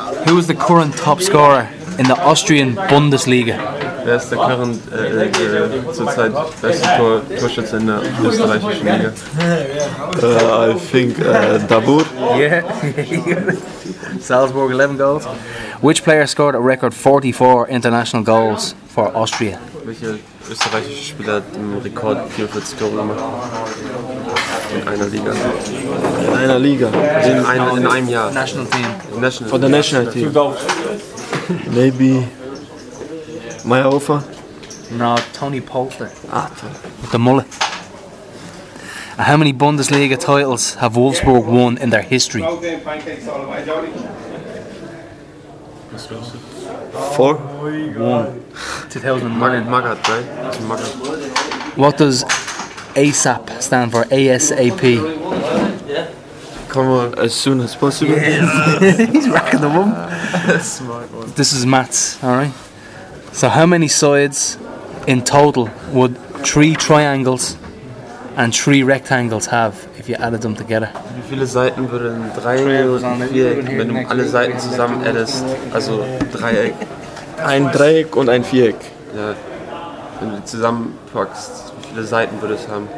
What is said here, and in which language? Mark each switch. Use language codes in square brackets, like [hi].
[en] Who is the current top scorer in the Austrian Bundesliga? [de] Wer ist der Current zurzeit beste Torschütze in der österreichischen Liga? [en] I think Davut. Yeah. Salzburg 11 goals. Which player scored a record 44 international goals for Austria? [de] Welcher österreichische Spieler hat den Rekord 44 Tore gemacht? In einer Liga. In einer Liga? In einem Jahr. [en] National Team. National for the national team. Maybe. Meyerhofer? No, Tony Poulter. Ah, Tony. With the mullet. How many Bundesliga titles have Wolfsburg won in their history? Four? One. 2009. Magath, right? Magath. What does ASAP stand for? ASAP. Come on, as soon as possible. Yes. He's racking them up. Smart one. This is Matt's, alright? So how many sides in total would three triangles and three rectangles have if you added them together? [de] Wie viele Seiten würde ein Dreieck und Viereck, wenn du alle Seiten zusammen addest, also Dreieck? Ein Dreieck und ein Viereck. Ja, wenn du zusammenpackst, wie viele Seiten würde es haben?